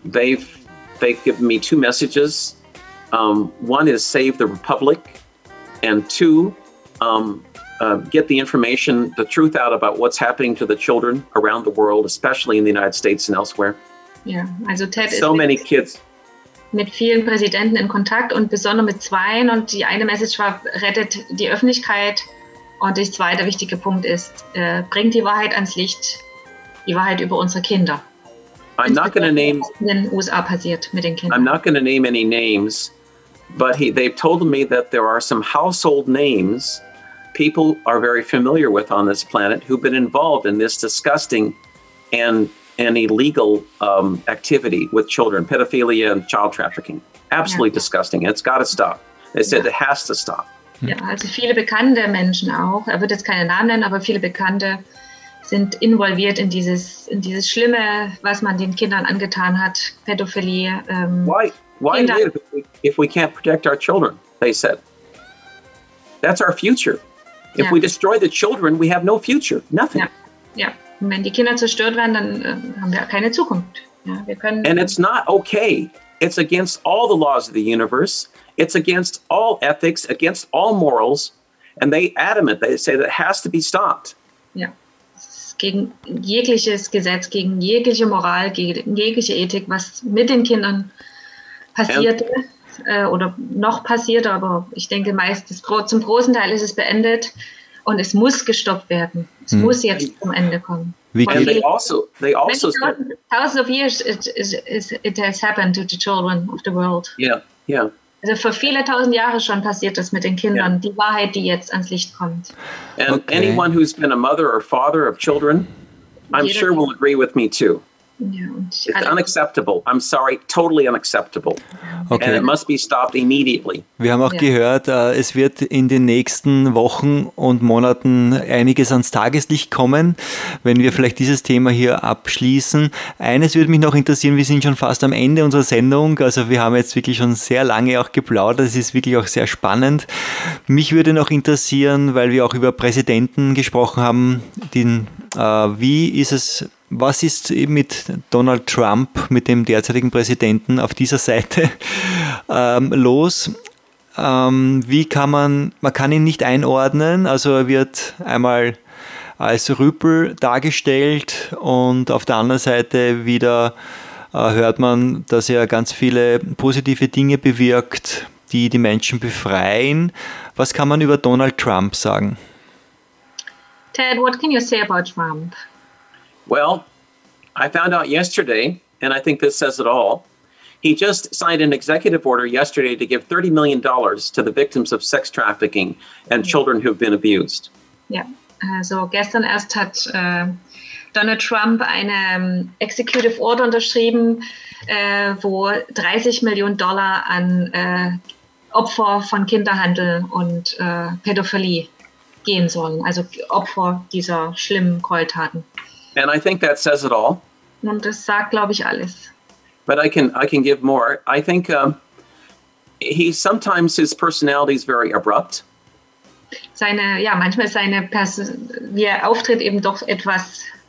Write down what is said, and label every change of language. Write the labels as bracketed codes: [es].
[en] They've given me 2 messages. One is save the republic, and 2, get the information, the truth out about what's happening to the children around the world, especially in the United States and elsewhere. [de] Yeah, also Ted. [en] So many kids. [de] Mit vielen Präsidenten in Kontakt und besonders mit 2, und die eine Message war, rettet die Öffentlichkeit, und der zweite wichtige Punkt ist, bringt die Wahrheit ans Licht, die Wahrheit über unsere Kinder. [en] I'm not going to name. [de] In den USA passiert mit den Kindern. [en] I'm not going to name any names, but they've told me that there are some household names people are very familiar with on this planet who've been involved in this disgusting and illegal activity with children, pedophilia and child trafficking. Absolutely yeah. Disgusting. It's got to stop. They said yeah. It has to stop. [de] Ja, also viele bekannte Menschen auch. Er wird jetzt keine Namen nennen, aber viele bekannte sind involviert in dieses Schlimme, was man den Kindern angetan hat, Pädophilie. [en] Why Kinder. Live if we can't protect our children? They said. That's our future. If we destroy the children, we have no future. Nothing. [de] Ja. Und wenn die Kinder zerstört werden, dann haben wir keine Zukunft. Ja, wir können. [en] And it's not okay. It's against all the laws of the universe. It's against all ethics, against all morals. And they adamant, they say that it has to be stopped. [de] Ja, gegen jegliches Gesetz, gegen jegliche Moral, gegen jegliche Ethik, was mit den Kindern passiert oder noch passiert. Aber ich denke, meistens zum großen Teil ist es beendet und es muss gestoppt werden. Es muss jetzt zum Ende kommen. [en] They also thousands of years it has happened to the children of the world. Yeah, yeah. [de] Also für viele tausend Jahre schon passiert das mit den Kindern, die Wahrheit, die jetzt ans Licht kommt. [en] And anyone who's been a mother or father of children, I'm sure will agree with me too. [de] Ja, [en] it's unacceptable. I'm sorry, totally unacceptable. Okay. And it must be stopped immediately. [de] Wir haben auch gehört, es wird in den nächsten Wochen und Monaten einiges ans Tageslicht kommen, wenn wir vielleicht dieses Thema hier abschließen. Eines würde mich noch interessieren, wir sind schon fast am Ende unserer Sendung. Also wir haben jetzt wirklich schon sehr lange auch geplaudert. Es ist wirklich auch sehr spannend. Mich würde noch interessieren, weil wir auch über Präsidenten gesprochen haben, wie ist es... Was ist mit Donald Trump, mit dem derzeitigen Präsidenten auf dieser Seite los? Wie kann man kann ihn nicht einordnen, also er wird einmal als Rüpel dargestellt und auf der anderen Seite wieder hört man, dass er ganz viele positive Dinge bewirkt, die Menschen befreien. Was kann man über Donald Trump sagen? [en] Ted, what can you say about Trump? Well, I found out yesterday, and I think this says it all, he just signed an executive order yesterday to give $30 million to the victims of sex trafficking and children who have been abused. [de] Ja, also gestern erst hat Donald Trump eine executive order unterschrieben, wo $30 million an Opfer von Kinderhandel und Pädophilie gehen sollen, also Opfer dieser schlimmen Gräueltaten. [en] And I think that says it all. [de] Und das sagt, glaube ich, alles. [en] But I can give more. I think sometimes his personality is very abrupt. [de] Seine ja manchmal seine wie er auftritt eben doch etwas.